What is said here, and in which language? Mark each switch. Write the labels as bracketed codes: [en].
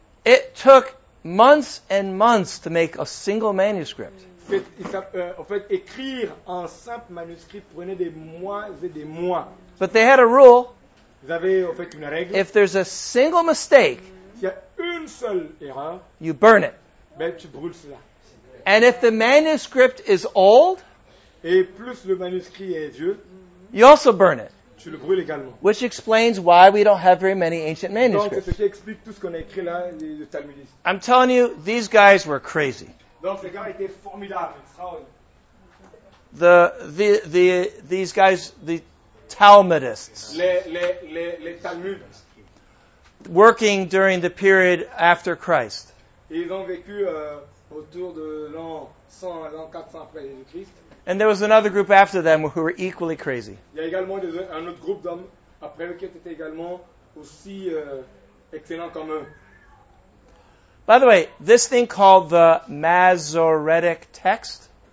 [en] It took months and months to make a single manuscript. [fr] Écrire un simple manuscrit prenait des mois et des mois. [en] But they had a rule. [fr] Ils avaient, en fait, une règle. [en] If there's a single mistake, [fr] s'il y a une seule erreur, [en] you burn it. [fr] Ben, tu brûles cela. [en] And if the manuscript is old, [fr] et plus le manuscrit est vieux, [en] you also burn it. [fr] Tu le brûles également. [en] Which explains why we don't have very many ancient manuscripts. [fr] Donc, c'est ce qui explique tout ce qu'on a écrit là, le Talmudiste. [en] I'm telling you, these guys were crazy. [fr] Donc, ces gars étaient formidables. [en] These guys, the Talmudists. [fr] Les Talmudistes. [en] Working during the period after Christ. [fr] Ils ont vécu autour de l'an 100 à l'an 400 après Jésus-Christ. [en] And there was another group after them who were equally crazy. [fr] Il y a également un autre groupe d'hommes après eux qui étaient également aussi excellents comme eux. [en] By the way, this thing called the Masoretic Text.